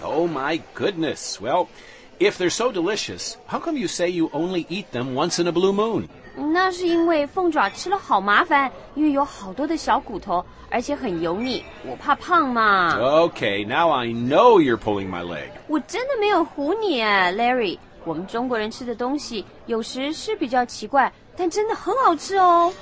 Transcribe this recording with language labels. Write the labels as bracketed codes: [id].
[en] Oh my goodness Well, if they're so delicious How come you say you only eat them once in a blue moon? [zh] 那是因为凤爪吃了好麻烦因为有好多的小骨头而且很油腻我怕胖嘛 [en] Okay, now I know you're pulling my leg [zh] 我真的没有唬你啊 Larry 我们中国人吃的东西有时是比较奇怪但真的很好吃哦